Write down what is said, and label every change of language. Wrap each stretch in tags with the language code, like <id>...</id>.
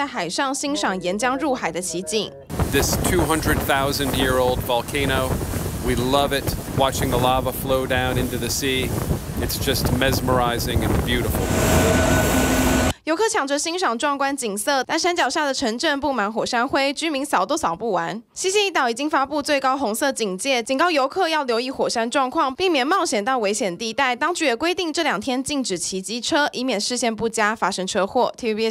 <zh>另一座爆发的火山是距离埃奈特火山100公里的斯特隆伯利火山。火山在夜晚喷发，照亮整个夜空。还有游客特地冒险包船出海，为了要在海上欣赏沿江入海的奇景。</zh> <en>This 200,000-year-old volcano, we love it. Watching the lava flow down into the sea, it's just mesmerizing and beautiful.</en> <zh>游客抢着欣赏壮观景色，但山脚下的城镇布满火山灰，居民扫都扫不完。西西里岛已经发布最高红色警戒，警告游客要留意火山状况，避免冒险到危险地带。当局也规定这两天禁止骑机车，以免视线不佳发生车祸。TVBS</zh>